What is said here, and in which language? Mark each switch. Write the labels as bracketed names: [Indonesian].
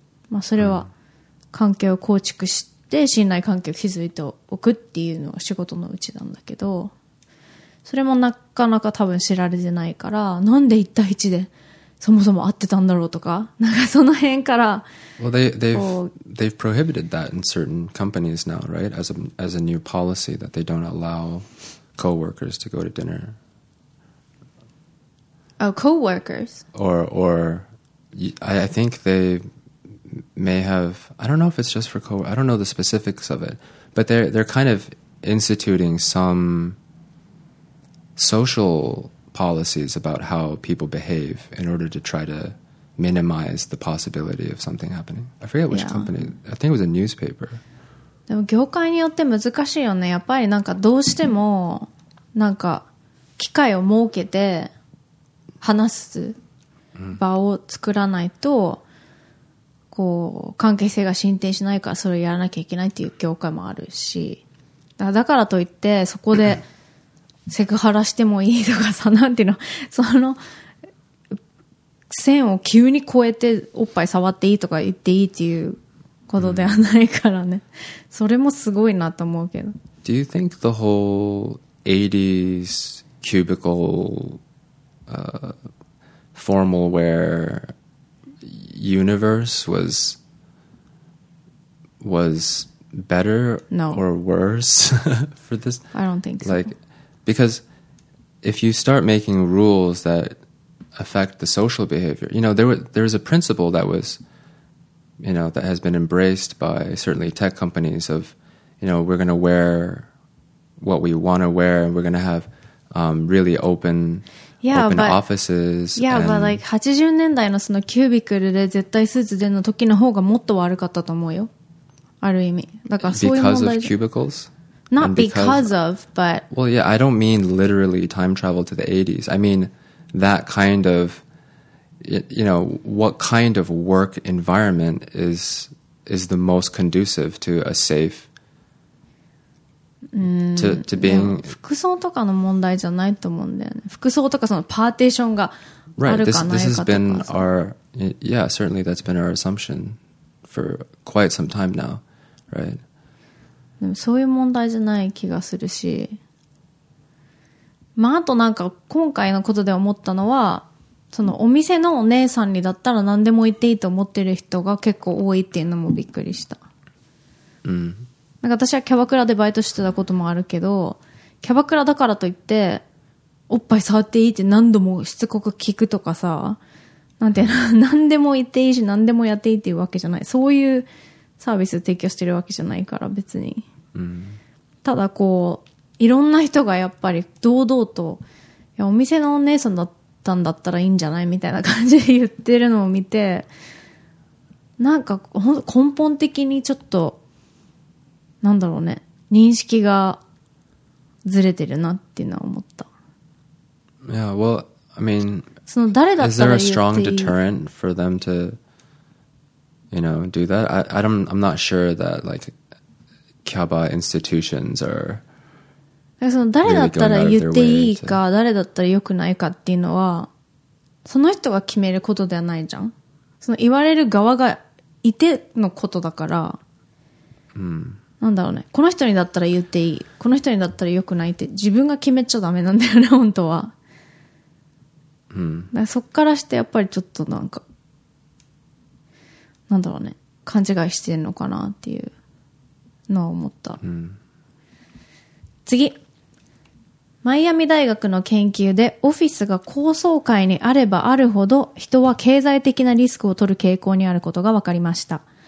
[Japanese] まあ、それは関係を構築して信頼関係を築いておくっていうのが仕事のうちなんだけど、それもなかなか多分知られてないから、なんで1対1でそもそも会ってたんだろうとか、なんかその辺から。 [English] Well, they've prohibited that in certain companies now, right? As a new policy that they don't allow coworkers to go to dinner. Oh, coworkers. Or I think they may have. I don't know if it's just for coworkers. I don't know the specifics of it, but they're kind of instituting some social policies about how people behave in order to try to minimize the possibility of something happening. I forget which company. I think it was a newspaper. [Japanese] でも業界によって難しいよね。やっぱりなんかどうしてもなんか機会を設けて話す場を作らないとこう関係性が進展しないからそれをやらなきゃいけないっていう業界もあるし、だからといってそこでセクハラしてもいいとかさ、なんていうの、その線を急に越えておっぱい触っていいとか言っていいっていうことではないからね、それもすごいなと思うけど。 [English] Do you think the whole 80s cubicle formal wear universe was better or worse for this? I don't think so. Like, because if you start making rules that affect the social behavior, you know, there's a principle that was, you know, that has been embraced by certainly tech companies of, you know, we're going to wear what we want to wear and we're going to have really open... [Japanese] 80年代のそのキュービクルで絶対スーツでの時の方がもっと悪かったと思うよ、ある意味。だからそういう問題で。 [English] Because of cubicles? Not because of, but... Well, yeah, I don't mean literally time travel to the 80s. I mean that kind of, you know, what kind of work environment is the most conducive to a safe... To being, [Japanese] 服装とかの問題じゃないと思うんだよね。服装とかそのパーテーションがあるかないかとか。 [English] This has been our, yeah, certainly that's been our assumption for quite some time now, right? [Japanese] でもそういう問題じゃない気がするし、まああとなんか今回のことで思ったのは、そのお店のお姉さんにだったら何でも言っていいと思ってる人が結構多いっていうのもびっくりした。うん。なんか私はキャバクラでバイトしてたこともあるけど、キャバクラだからといっておっぱい触っていいって何度もしつこく聞くとかさ、なんていうの、何でも言っていいし何でもやっていいっていうわけじゃない、そういうサービス提供してるわけじゃないから別に、ただこういろんな人がやっぱり堂々と、いやお店のお姉さんだったんだったらいいんじゃないみたいな感じで言ってるのを見て、なんか根本的にちょっとなんだろうね、認識がずれてるなっていうのは思った。 [English] Yeah, well, I mean, [Japanese] その誰だったら言っていい、 [English] Is there a strong deterrent for them to, you know, do that? I'm not sure that like Kyaba institutions are. [Japanese] その誰だったら言っていいか、誰だったら良くないかっていうのは、その人が決めることではないじゃん。その言われる側がいてのことだから。なんだろうね、この人にだったら言っていい、この人にだったら良くないって自分が決めちゃダメなんだよね本当は、だからそっからしてやっぱりちょっとなんかなんだろうね、勘違いしてんのかなっていうのを思った、次、マイアミ大学の研究でオフィスが高層階にあればあるほど人は経済的なリスクを取る傾向にあることが分かりました。